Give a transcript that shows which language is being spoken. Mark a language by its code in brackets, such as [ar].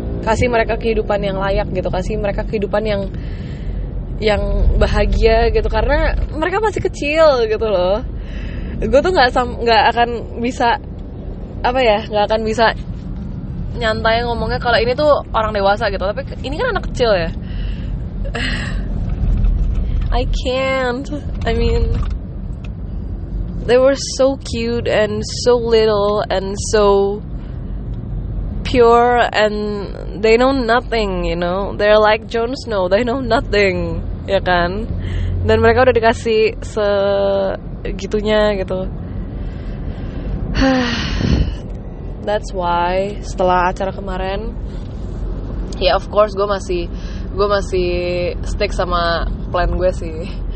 [id] kasih mereka kehidupan yang layak gitu, kasih mereka kehidupan yang bahagia gitu, karena mereka masih kecil gitu loh. Gue tuh nggak akan bisa apa ya, nggak akan bisa nyantai ngomongnya kalau ini tuh orang dewasa gitu, tapi ini kan anak kecil ya. [en] I can't. I mean, they were so cute and so little and so pure, and they know nothing, you know. They're like Jon Snow. They know nothing, [id] ya kan? Dan mereka udah dikasih segitunya gitu. [en] That's why [id] setelah acara kemarin, ya [en] of course [id] gue masih stick sama plan gue sih.